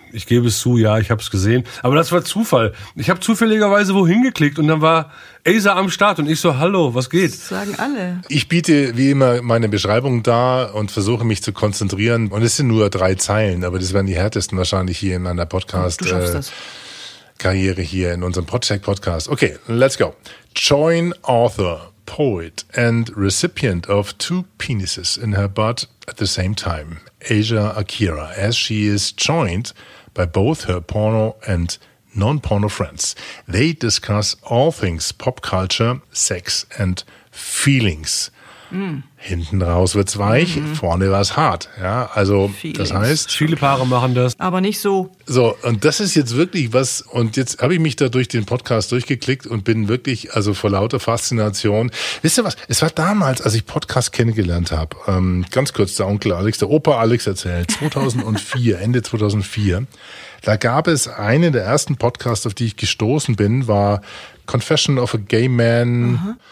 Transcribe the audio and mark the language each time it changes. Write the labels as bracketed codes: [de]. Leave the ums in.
[de] Ich gebe es zu, ja, ich habe es gesehen. Aber das war Zufall. Ich habe zufälligerweise wohin geklickt und dann war Asa am Start und ich so, hallo, was geht? Das sagen alle. Ich biete wie immer meine Beschreibung dar und versuche mich zu konzentrieren. Und es sind nur drei Zeilen, aber das werden die härtesten wahrscheinlich hier in einer Podcast. Du schaffst äh, das. Karriere hier in unserem Podcheck Podcast. [en] Okay, let's go. Join author, poet and recipient of two penises in her butt at the same time, Asia Akira, as she is joined by both her porno and non-porno friends. They discuss all things pop culture, sex and feelings. [de] Hinten raus wird's weich, vorne war's hart. Ja, also das [en] Feelings. [de] heißt, Viele Paare machen das. Aber nicht so. so, und das ist jetzt wirklich was, und jetzt habe ich mich da durch den Podcast durchgeklickt und bin wirklich, also vor lauter Faszination. Wisst ihr was? Es war damals, als ich Podcast kennengelernt habe, ähm, ganz kurz der Onkel Alex, der Opa Alex erzählt, 2004, Ende 2004, da gab es einen der ersten Podcasts, auf die ich gestoßen bin, war Confession of a Gay Man.